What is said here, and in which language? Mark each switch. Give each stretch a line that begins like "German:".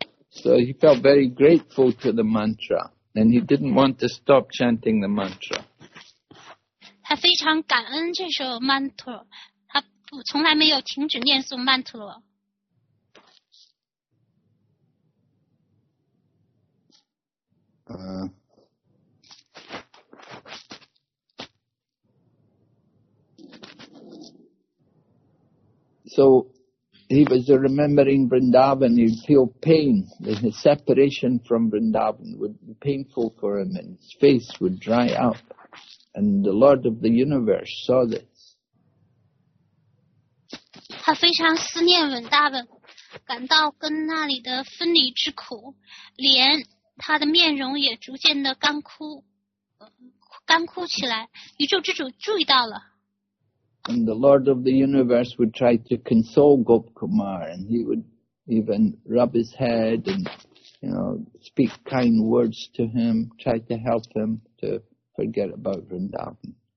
English: So he felt very grateful to the mantra. And he didn't want to stop chanting the mantra.
Chinese: 他非常感恩这首曼陀罗，他不从来没有停止念诵曼陀罗。
English: So he was remembering Vrindavan. He feel pain. The separation from Vrindavan would be painful for him, and his face would dry up. And the Lord of the Universe saw this.
Chinese: 他非常思念文大本，感到跟那里的分离之苦，连他的面容也逐渐的干枯起来。宇宙之主注意到了。
English: And the Lord of the Universe would try to console Gop Kumar, and he would even rub his head and, you know, speak kind words to him, try to help him to. Forget about Vrindavan.